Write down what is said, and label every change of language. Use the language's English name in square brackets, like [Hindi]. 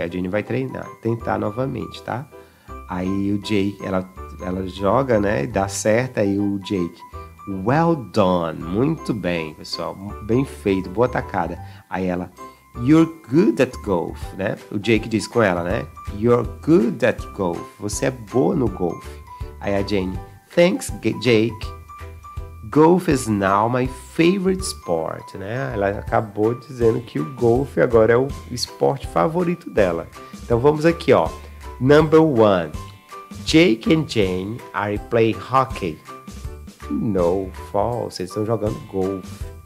[Portuguese] A Jane vai treinar, tentar novamente, tá? Aí o Jake, ela joga, né? Dá certo. Aí o Jake, [English] well done, [Portuguese] muito bem, pessoal, bem feito, boa tacada. Aí ela, [English] you're good at golf, né? [Portuguese] O Jake diz com ela, né? [English] You're good at golf, [Portuguese] você é boa no golf. Aí a Jane, [English] thanks, [Portuguese] Jake. [English] Golf is now my favorite sport, né? [Portuguese] Ela acabou dizendo que o golfe agora é o esporte favorito dela. Então vamos aqui, ó. [English] Number one, Jake and Jane are playing hockey. [Portuguese] No, false, eles estão jogando golf.